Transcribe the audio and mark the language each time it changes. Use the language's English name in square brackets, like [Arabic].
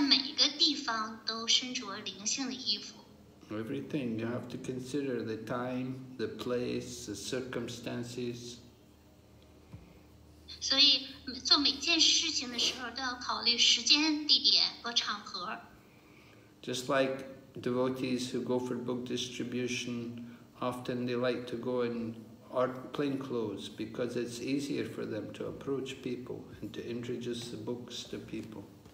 [Chinese] 所以我们也明白，也理解，不可能在每个地方都身着灵性的衣服。 [English] Everything, you have to consider the time, the place, the circumstances. [Chinese] 所以做每件事情的时候都要考虑时间、地点和场合。 [English] Just like devotees who go for book distribution, often they like to go in plain clothes because it's easier for them to approach people and to introduce the books to people.